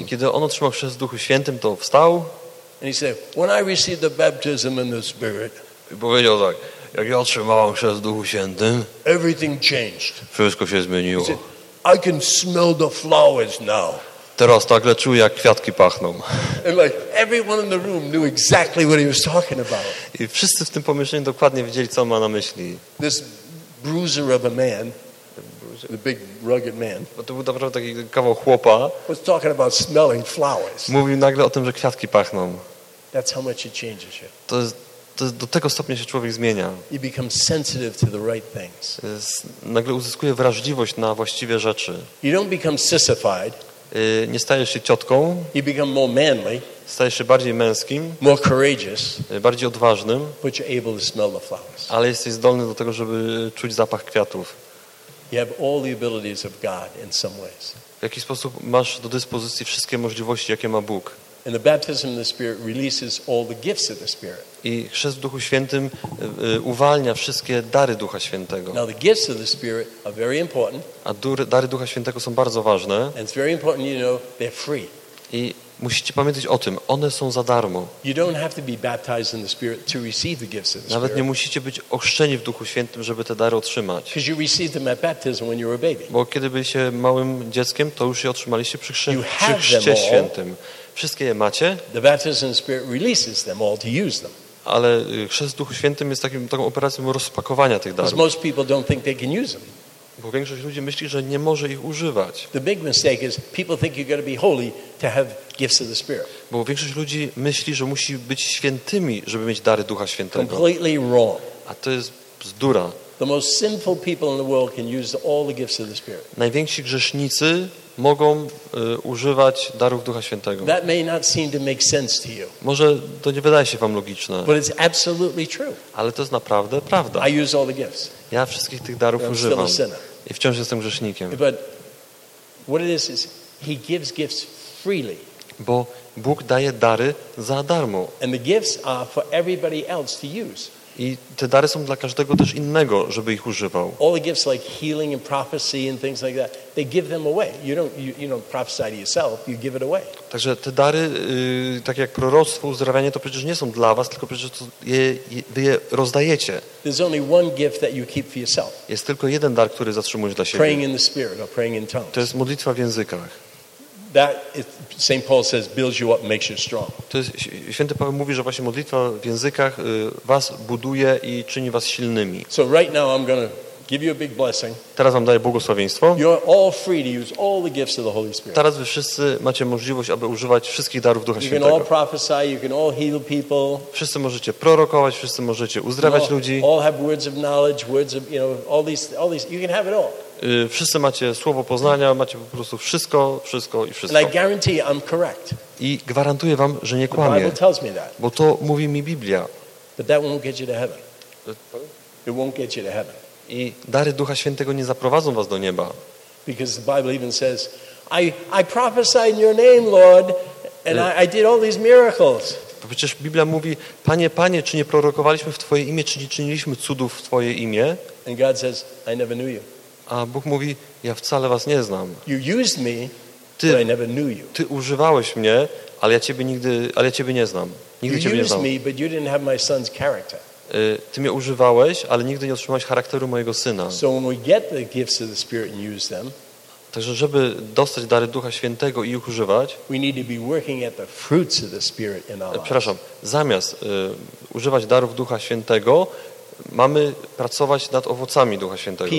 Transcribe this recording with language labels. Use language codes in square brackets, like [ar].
[pl] I kiedy on otrzymał chrzest w Duchu Świętym, to wstał. [en] And he said, when I received the baptism in the Spirit. [pl] I powiedział tak, jak ja otrzymałem chrzest w Duchu Świętym. [en] Everything changed. [pl] Wszystko się zmieniło. [en] He said, I can smell the flowers now. [pl] Teraz nagle czuję, jak kwiatki pachną. [en] And like everyone in the room knew exactly what he was talking about. [pl] I wszyscy w tym pomieszczeniu dokładnie wiedzieli, co on ma na myśli. [en] This bruiser of a man, the big rugged man, [pl] bo to był naprawdę taki kawał chłopa, [en] was talking about smelling flowers. [pl] Mówił nagle o tym, że kwiatki pachną. [en] That's how much it changes you. [pl] To do tego stopnia się człowiek zmienia. [en] You become sensitive to the right things. [pl] Nagle uzyskuje wrażliwość na właściwe rzeczy. [en] You don't become sissified. [pl] Nie stajesz się ciotką. [en] You become more manly. [pl] Stajesz się bardziej męskim. [en] More courageous. [pl] Bardziej odważnym. [en] But you're able to smell the flowers. [pl] Ale jesteś zdolny do tego, żeby czuć zapach kwiatów. [en] You have all the abilities of God in some ways. [pl] W jaki sposób masz do dyspozycji wszystkie możliwości, jakie ma Bóg. [en] And the baptism of the Spirit releases all the gifts of the Spirit. [pl] I chrzest w Duchu Świętym uwalnia wszystkie dary Ducha Świętego. [en] Now the gifts of the Spirit are very important. [pl] A dary Ducha Świętego są bardzo ważne. [en] And it's very important, you know, they're free. [pl] I musicie pamiętać o tym, one są za darmo. [en] You don't have to be baptized in the Spirit to receive the gifts of the Spirit. [pl] Nawet nie musicie być ochrzczeni w Duchu Świętym, żeby te dary otrzymać. [en] Because you received them at baptism when you were a baby. [pl] Bo kiedy byliście małym dzieckiem, to już je otrzymaliście przy chrzcie świętym. Wszystkie je macie. [en] The baptism of the Spirit releases them all to use them. [pl] Ale chrzest w Duchu Świętym jest taką operacją rozpakowania tych darów. [en] Because most people don't think they can use them. [pl] Bo większość ludzi myśli, że nie może ich używać. [en] The big mistake is people think you got to be holy to have gifts of the Spirit. [pl] Bo większość ludzi myśli, że musi być świętymi, żeby mieć dary Ducha Świętego. [en] Completely wrong. [pl] A to jest bzdura. [en] The most sinful people in the world can use all the gifts of the Spirit. [pl] Najwięksi grzesznicy mogą używać darów Ducha Świętego. [en] That may not seem to make sense to you. [pl] Może to nie wydaje się wam logiczne. [en] But it's absolutely true. [pl] Ale to jest naprawdę prawda. [en] I use all the gifts. [pl] Ja wszystkich tych darów używam. I wciąż jestem grzesznikiem. [en] But what it is he gives gifts freely. [pl] Bo Bóg daje dary za darmo. [en] And the gifts are for everybody else to use. [pl] I te dary są dla każdego też innego, żeby ich używał. [en] All the gifts like healing and prophecy and things like that, they give them away. You don't prophesy to yourself, you give it away. [pl] Także te dary, tak jak proroctwo, uzdrawianie, to przecież nie są dla was, tylko przecież to je rozdajecie. [en] There's only one gift that you keep for yourself. [pl] Jest tylko jeden dar, który zatrzymujesz dla siebie. [en] Praying in the spirit or praying in tongues. [pl] To jest modlitwa w językach. [en] That St. Paul says builds you up, makes you strong. [pl] To jest, Święty Paweł mówi, że właśnie modlitwa w językach was buduje i czyni was silnymi. [en] So right now I'm going to give you a big blessing. [pl] Teraz wam daję błogosławieństwo. [en] You're all free to use all the gifts of the Holy Spirit. [pl] Teraz wy wszyscy macie możliwość, aby używać wszystkich darów Ducha Świętego. [en] You can all prophesy, you can all heal people. [pl] Wszyscy możecie prorokować, wszyscy możecie uzdrawiać ludzi. [en] All have words of knowledge, words of, you know, all these, you can have it all. [pl] Wszyscy macie słowo poznania, macie po prostu wszystko i wszystko. [en] I guarantee I'm correct. [pl] I gwarantuję wam, że nie kłamię. [en] The Bible tells me that. [pl] Bo to mówi mi Biblia. [en] But that won't get you to heaven. It won't get you to heaven. [pl] I dary Ducha Świętego nie zaprowadzą was do nieba. [en] Because the Bible even says, I prophesied in your name, Lord, and I did all these miracles. [pl] Bo przecież Biblia mówi, Panie, czy nie prorokowaliśmy w Twoje imię, czy nie czyniliśmy cudów w Twoje imię? [en] And God says, I never knew you. [pl] A Bóg mówi, ja wcale was nie znam. [en] You used me, [pl] ty, [en] but I never knew you. [pl] Ty używałeś mnie, ale ja ciebie nigdy, ale ja ciebie nie znam. Nigdy [en] you [pl] ciebie nie znam. [en] Me, but you didn't have my son's character. [pl] Ty mnie używałeś, ale nigdy nie otrzymałeś charakteru mojego syna. [en] So when we get the gifts of the Spirit and use them, [pl] także żeby dostać dary Ducha Świętego i ich używać, [en] we need to be working at the fruits of the Spirit in our lives. [pl] Przepraszam, zamiast używać darów Ducha Świętego, mamy pracować nad owocami Ducha Świętego.